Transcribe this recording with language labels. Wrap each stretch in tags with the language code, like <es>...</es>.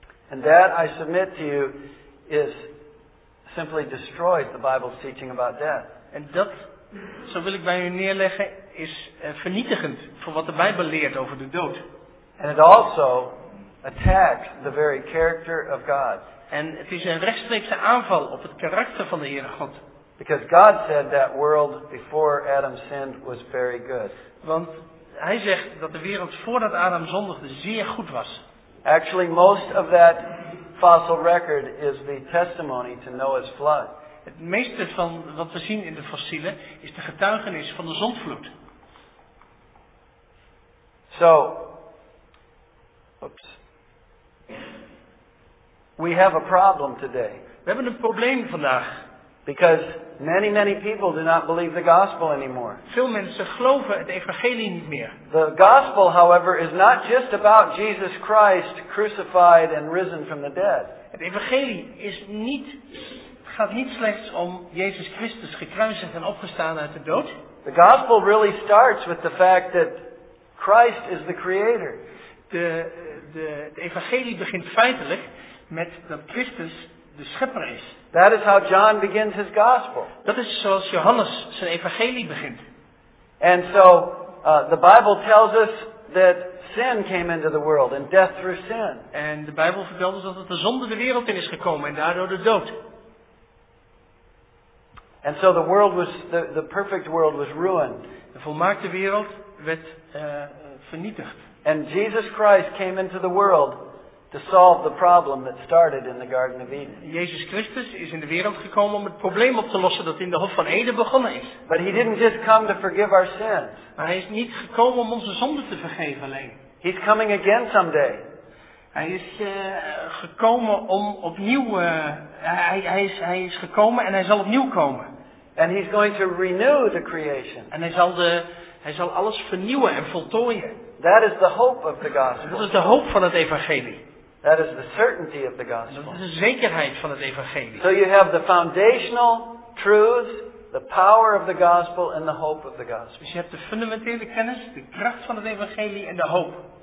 <en>And that I submit to you is simply destroys the Bible's teaching about death.</en> <nl>En dat, zo wil ik bij u neerleggen, is vernietigend voor wat de Bijbel leert over de dood.</nl> <en>And it also attacks the very character of God.</en> <nl>En het is een rechtstreekse aanval op het karakter van de Heere God.</nl> <en>Because God said that world before Adam sinned was very good.</en> <nl>Want hij zegt dat de wereld voordat Adam zondigde zeer goed was.</nl> <en>Actually, most of that fossil record is the testimony to Noah's flood.</en> <nl>Het meeste van wat we zien in de fossielen is de getuigenis van de zondvloed.</nl> <en>So, oops. We have a problem today.</en> <nl>We hebben een probleem vandaag.</nl> <en>Because many, many people do not believe the gospel anymore.</en> <nl>Veel mensen geloven het evangelie niet meer.</nl> <en>The gospel, however, is not just about Jesus Christ crucified and risen from the dead.</en> <nl>Het evangelie is niet, gaat niet slechts om Jezus Christus gekruisigd en opgestaan uit de dood.</nl> <en>The gospel really starts with the fact that Christ is the creator.</en> <nl>Het evangelie begint feitelijk met dat Christus de schepper is.</nl> <en>That is how John begins his gospel.</en> <nl>Dat is zoals Johannes zijn evangelie begint.</nl> <en>And so the Bible tells us that sin came into the world and death through sin.</en> <nl>En de Bijbel vertelt ons dat het de zonde de wereld in is gekomen en daardoor de dood.</nl> <en>And so the world was the perfect world was ruined.</en> <nl>De volmaakte wereld werd vernietigd.</nl> <en>And Jesus Christ came into the world to solve the problem that started in the Garden of Eden.</en> <nl>Jezus Christus is in de wereld gekomen om het probleem op te lossen dat in de Hof van Eden begonnen is.</nl> <en>But he didn't just come to forgive our sins.</en> <nl>Maar hij is niet gekomen om onze zonden te vergeven alleen.</nl> <en>He's coming again someday.</en> <nl>Hij is gekomen om opnieuw hij is gekomen en hij zal opnieuw komen.</nl> <en>And he's going to renew the creation.</en> <nl>En hij zal alles vernieuwen en voltooien.</nl> <en>That is the hope of the gospel.</en> <nl>Dat is de hoop van het evangelie.</nl> <en>That is the certainty of the gospel.</en> <nl>Dat is de zekerheid van het evangelie.</nl> <en>So you have the foundational truths, the power of the gospel and the hope of the gospel.</en> <nl>Dus je hebt de fundamentele kennis, de kracht van het evangelie en de hoop.</nl>